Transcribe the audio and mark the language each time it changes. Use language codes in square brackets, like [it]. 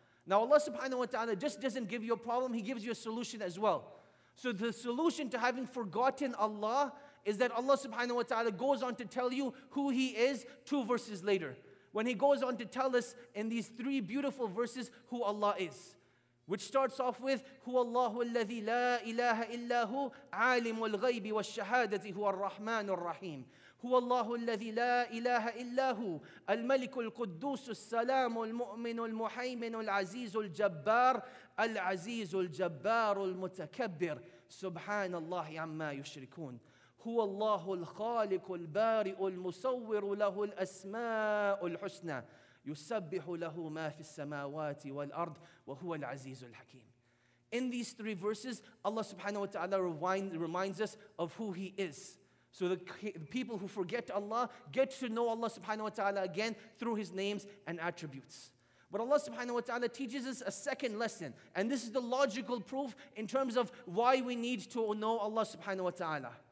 [en] Now, Allah subhanahu wa ta'ala just doesn't give you a problem, He gives you a solution as well. So the solution to having forgotten Allah is that Allah subhanahu wa ta'ala goes on to tell you who He is two verses later. When He goes on to tell us in these three beautiful verses who Allah is. Which starts off with, [ar] هو الله الذي لا إله إلا هو عالم الغيب والشهادة هو الرحمن الرحيم. هو الله الذي لا إله إلا هو الملك القدوس السلام المؤمن المحيمن العزيز الجبار العزيز الجبار المتكبر سبحان الله عما يشركون. هو الله الخالق البارئ المصور له الأسماء الحسنى يسبح له ما في السماوات والأرض وهو العزيز الحكيم. [en] In these three verses, Allah subhanahu wa ta'ala reminds us of who He is. So the people who forget Allah get to know Allah subhanahu wa ta'ala again through His names and attributes. But Allah subhanahu wa ta'ala teaches us a second lesson. And this is the logical proof in terms of why we need to know Allah subhanahu wa ta'ala.